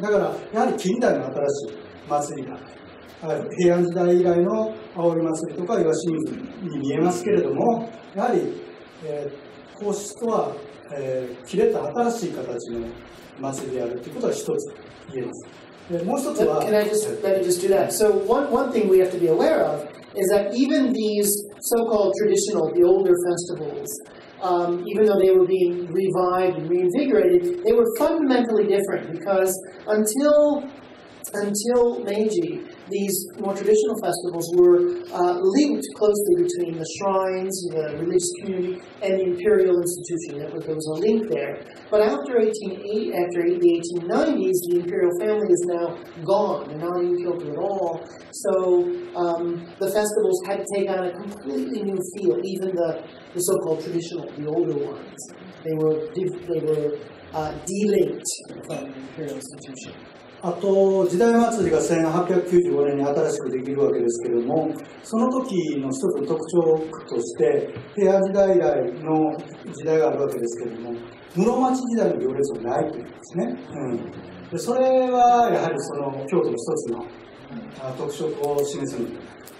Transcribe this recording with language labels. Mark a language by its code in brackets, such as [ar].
[ja] だからやはり近代の新しい祭りが、平安時代以来の葵祭りとか岩清水に見えますけれども、やはり、皇室とは、切れた新しい形の祭りであるということは一つ言えます。 [en] Can I just do that? So one thing we have to be aware of is that even these so-called traditional, the older festivals, even though they were being revived and reinvigorated, they were fundamentally different because until Meiji, these more traditional festivals were linked closely between the shrines, the religious community, and the imperial institution. There was a link there. But after the 1890s, the imperial family is now gone. They're not in Kyoto at all. So the festivals had to take on a completely new feel, even the so-called traditional, the older ones. They were de-linked from the imperial institution. [ja] あと時代祭りが1895年に新しくできるわけですけれども、その時の一つの特徴として平安時代以来の時代があるわけですけれども、室町時代の行列はないというんですね。うん、でそれはやはりその京都の一つの特色を示すのではないか。